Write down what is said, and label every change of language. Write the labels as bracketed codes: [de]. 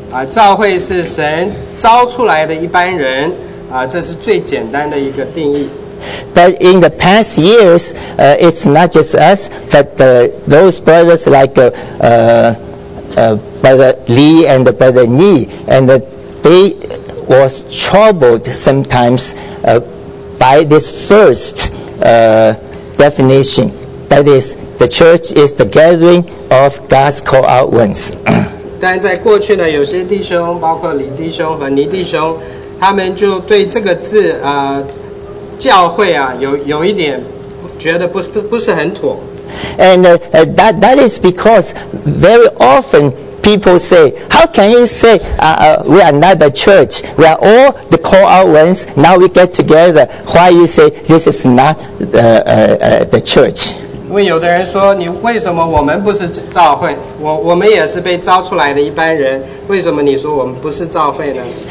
[zh] 召会是神召出来的一般人啊，这是最简单的一个定义。 [en] But in the past years, it's not just us, but those brothers like Brother Lee and Brother Ni, and they was troubled sometimes by this first definition. That is, the church is the gathering of God's called out ones. [zh] 但在过去呢，有些弟兄，包括李弟兄和倪弟兄，他们就对这个字教会啊，有一点觉得不是很妥。 [en] And that is because very often people say, how can you say we are not a church? We are all the call out ones. Now we get together. Why you say this is not the church? [zh] 因为有的人说，你为什么我们不是召会？我们也是被召出来的一般人，为什么你说我们不是召会呢？